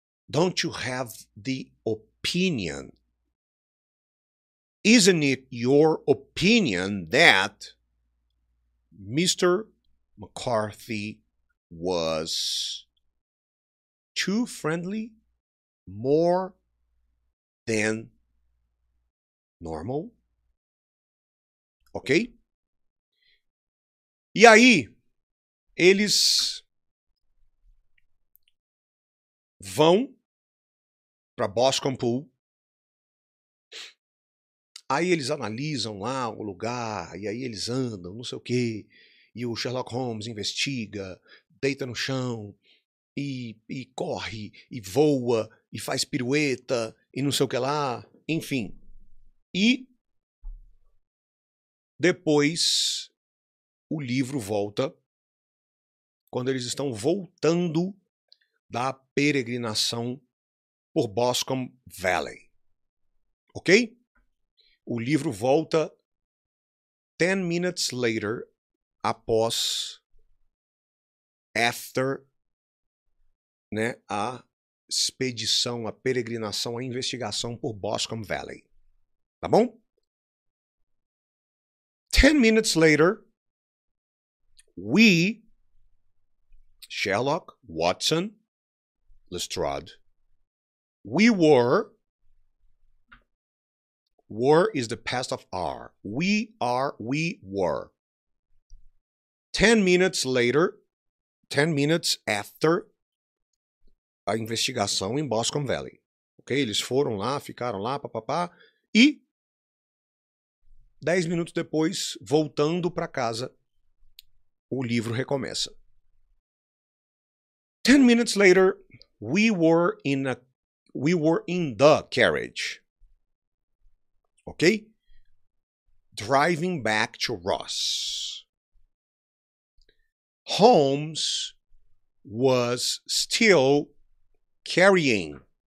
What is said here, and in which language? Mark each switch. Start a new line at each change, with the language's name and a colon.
English: Don't you have the opinion? Isn't it your opinion that Mr. McCarthy was too friendly, more than normal? Ok?
Portuguese: E aí, eles vão para Boscombe Pool. Aí eles analisam lá o lugar, e aí eles andam, não sei o quê, e o Sherlock Holmes investiga, deita no chão, e corre, e voa, e faz pirueta, e não sei o que lá, enfim. E depois o livro volta, quando eles estão voltando da peregrinação por Boscombe Valley, ok? O livro volta
English: 10 minutes later,
Portuguese: após,
English: after,
Portuguese: né, a expedição, a peregrinação, a investigação por Boscombe Valley. Tá bom?
English: 10 minutes later, we, Sherlock, Watson, Lestrade, War is the past of are. We were. 10 minutes after
Portuguese: a investigação em
English: Boscombe Valley. Ok?
Portuguese: Eles foram lá, ficaram lá, papapá. E 10 minutos depois, voltando para casa, o livro recomeça.
English: 10 minutes later, we were in the carriage. Okay? Driving back to Ross. Holmes was still carrying.